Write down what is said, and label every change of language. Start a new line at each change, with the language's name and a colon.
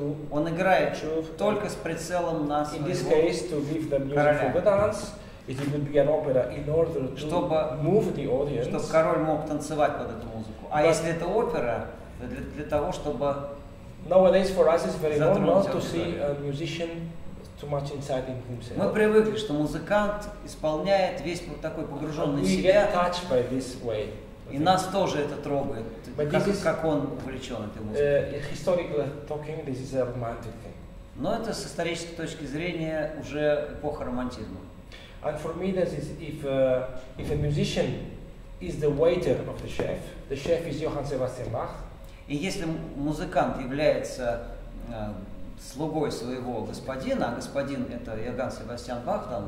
Russian: Он играет только с прицелом на своего короля.
English: In this case, to give the music for the dance, it would be an opera in order to move the audience.
Russian: Чтобы король мог танцевать под эту музыку. А если это опера, то для того, чтобы...
English: Nowadays for us it's very normal to see a musician too much inside in himself.
Russian: Мы привыкли, что музыкант исполняет весь вот такой погруженный в себя.
English: We get touched by this way.
Russian: И нас тоже это трогает, как он увлечен этой музыкой.
English: Historically talking, this is a romantic thing.
Russian: Но это с исторической точки зрения уже эпоха романтизма.
English: And for me, this is if a musician is the waiter of the chef is Johann Sebastian Bach.
Russian: И если музыкант является слугой своего господина, а господин это Йоганн Себастьян Бах, там.